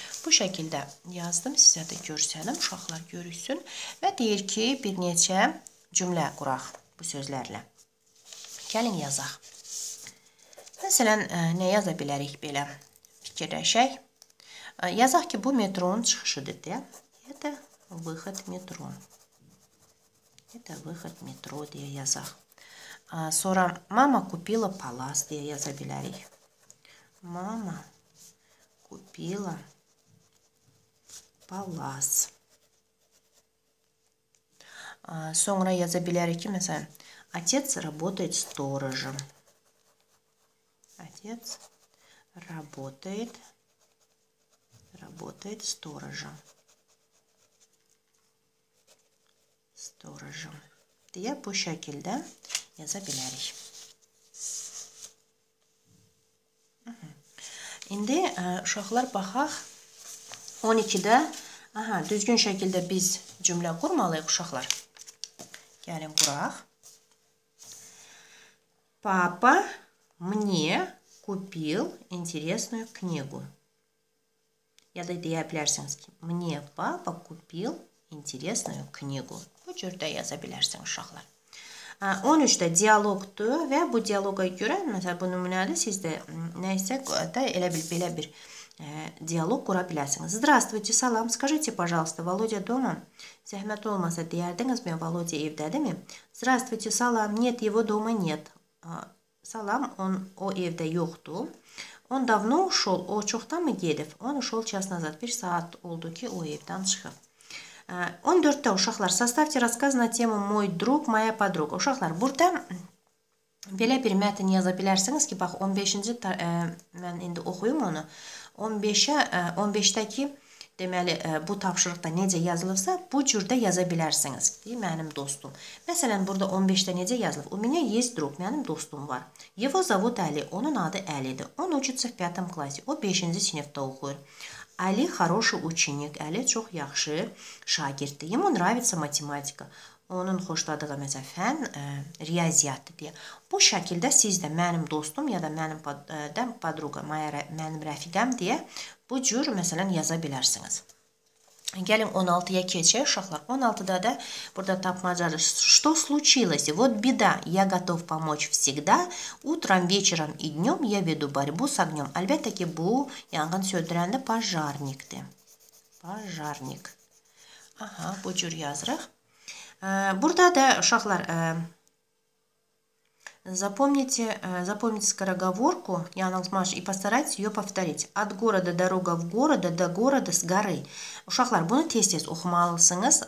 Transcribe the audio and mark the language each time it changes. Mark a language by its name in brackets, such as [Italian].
[Azerbaijani] Bu şəkildə yazdım, sizə də görsənim, uşaqlar görüşsün və deyir ki, bir neçə cümlə quraq bu sözlərlə. Gəlin yazaq. Məsələn, nə yaza bilərik belə fikirləşək? Yazaq ki, bu metronun çıxışıdır deyə. [Russian] Это выход метро. Это выход метро [Azerbaijani] deyə yazaq. Sonra, mama [Russian] купила палас [Azerbaijani] deyə yaza bilərik. [Russian] Mama купила палас. [Azerbaijani] Sonra yaza bilərik ki, məsələn, [Russian] отец работает сторожем. Отец работает сторожем. Сторожем. [Azerbaijani] Deyə bu şəkildə yaza bilərik. İndi uşaqlar baxaq, 12-də, aha, düzgün şəkildə biz cümlə qurmalıyıq uşaqlar. Gəlin, quraq. [Russian] Papa мне купил интересную книгу. [Azerbaijani] Ya da deyə bilərsiniz ki, [Russian] мне папа купил интересную книгу. [Azerbaijani] Bu cürdə yaza bilərsiniz uşaqlar. 13-də dialogdur və bu dialoga görə, məsələn, bu nümunədə siz də nə isə da elə bil, belə bir dialog qura biləsiniz. [Russian] Здравствуйте, салам, скажите, пожалуйста, Володя дома? [Azerbaijani] Зәхмет olmasa deyərdiniz mi, Володя evdə, deyil mi? [Russian] Здравствуйте, салам, нет, его дома нет. [Azerbaijani] Салам, o evdə yoxdur. [Russian] Он давно ушел, [Azerbaijani] o çoxdan mı gedib? [Russian] Он ушел час назад, [Azerbaijani] bir saat oldu ki, o evdən çıxıb. [Russian] 14-də [Azerbaijani] uşaqlar, [Russian] составьте рассказ на тему мой друг, моя подруга. [Azerbaijani] Uşaqlar, burada belə bir mətin yaza bilərsiniz ki, bax, 15-ci, mən indi oxuyum onu. 15-dəki, deməli, bu tapşırıqda necə yazılıbsa, bu cürdə yaza bilərsiniz ki, mənim dostum. Məsələn, burada 15-də necə yazılıb? [Russian] У меня есть друг, [Azerbaijani] mənim dostum var. [Russian] Его зовут Али, [Azerbaijani] onun adı Əlidir. [Russian] Он учится в 5-м классе, [Azerbaijani] o 5-ci sinifdə oxuyur. [Russian] Али хороший ученик, Али [Azerbaijani] çox yaxşı şagirddi. [Russian] Ему нравится математика. [Azerbaijani] Onun xoşladığı, məsələn, fən riyaziyyatdır deyə. Bu şəkildə siz də mənim dostum ya da mənim padruqa, mənim rəfiqəm deyə bu cür, məsələn, yaza bilərsiniz. Gəlin 16-ya keçək, uşaqlar. 16-da da burada tapmacadır. [Russian] Что случилось? Вот беда. Я готов помочь всегда. Утром, вечером и днём я веду борьбу с огнём. [Azerbaijani] Әлбəttə ki, bu yangın söndürəndə pajarnikdir. Pajarnik. Aha, bu cür yazırıq. Burada da uşaqlar, [Russian] запомните скороговорку, [Azerbaijani] yanıltmaş, [Russian] и постарайтесь ее повторить. От города дорога в города, до города с горы. [Azerbaijani] Uşaqlar, bunu tez-tez oxumalısınız.